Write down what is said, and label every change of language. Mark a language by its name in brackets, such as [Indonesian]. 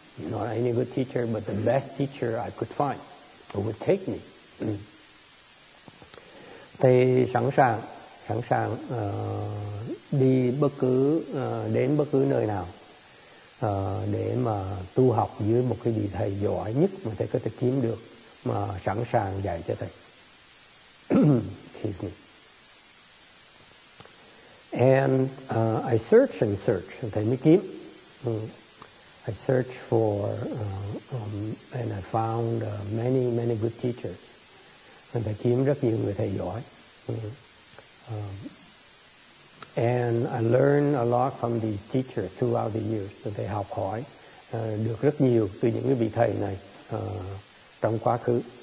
[English] Not any good teacher, but the best teacher I could find who would take me. [Vietnamese] Thầy sẵn sàng đi bất cứ đến bất cứ nơi nào để mà tu học dưới một cái vị thầy giỏi nhất mà thầy có thể kiếm được, mà sẵn sàng dạy cho thầy. [English] And I search and search, [Vietnamese] thầy mới kiếm. [English] I searched for and I found many many good teachers. [Vietnamese] And thầy kiếm rất nhiều người thầy giỏi. [English] And I learned a lot from these teachers throughout the years. So they [Vietnamese] học hỏi được rất nhiều từ những cái vị thầy này trong quá khứ.